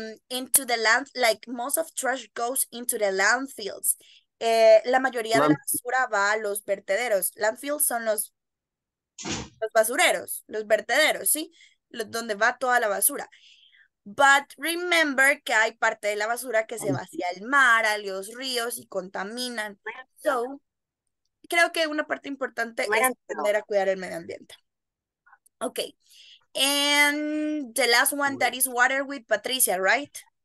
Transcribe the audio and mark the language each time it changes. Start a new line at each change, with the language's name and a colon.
English: Into the land, like most of trash goes into the landfills.
Spanish: La mayoría de la basura va a los vertederos. Landfills son los basureros, los vertederos, ¿sí? Donde va toda la basura.
English: But remember
Spanish: que hay parte de la basura que se vacía al mar, a los ríos y contaminan. So, creo que una parte importante es aprender a cuidar el medio ambiente.
English: Okay. And the last one, that is water with Patricia, right?